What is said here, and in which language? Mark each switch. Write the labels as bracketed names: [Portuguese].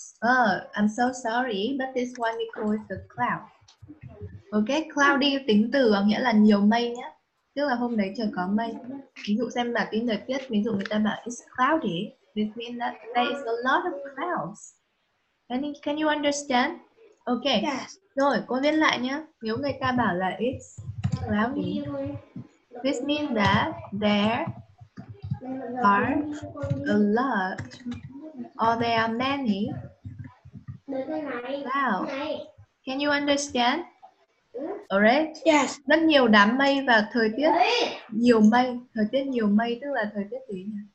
[English] Oh, I'm so sorry, but this one we call it a cloud. [Vietnamese] Okay, cloudy tính từ có nghĩa là nhiều mây nhé. Tức là hôm đấy trời có mây. Ví dụ xem bản tin thời tiết, ví dụ người ta bảo [English] it's cloudy. This means that there is a lot of clouds. Can you understand? Okay. Yes. [Vietnamese] Rồi, cô viết lại nhé. Nếu người ta bảo là [English] it's cloudy, this means that there are a lot or there are many clouds. Can you understand? Alright? Yes. [Vietnamese] Rất nhiều đám mây và thời tiết nhiều mây. Thời tiết nhiều mây tức là thời tiết gì?